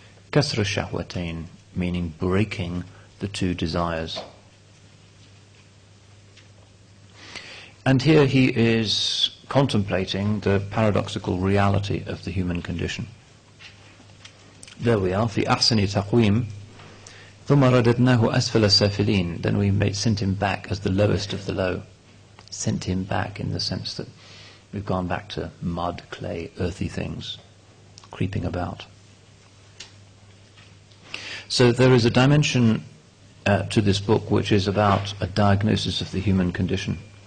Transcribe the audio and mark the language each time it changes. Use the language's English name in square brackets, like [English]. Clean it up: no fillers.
[English] Kasr al-Shahwatain, meaning breaking the two desires. And here he is contemplating the paradoxical reality of the human condition. There we are, [Arabic] في أحسن تقويم. ثم رددناه أسفل السافلين. [English] Then we sent him back as the lowest of the low. Sent him back in the sense that we've gone back to mud, clay, earthy things creeping about. So there is a dimension to this book which is about a diagnosis of the human condition.